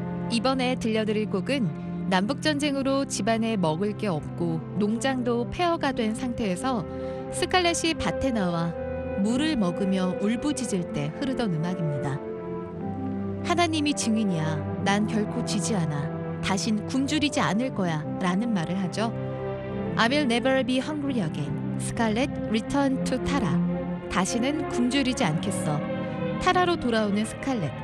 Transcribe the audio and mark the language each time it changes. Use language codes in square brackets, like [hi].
[ko] 이번에 들려드릴 곡은 남북전쟁으로 집안에 먹을 게 없고 농장도 폐허가 된 상태에서 스칼렛이 밭에 나와 물을 먹으며 울부짖을 때 흐르던 음악입니다. 하나님이 증인이야. 난 결코 지지 않아. 다신 굶주리지 않을 거야. 라는 말을 하죠. [en] I will never be hungry again. Scarlett, return to Tara. [ko] 다시는 굶주리지 않겠어. 타라로 돌아오는 스칼렛.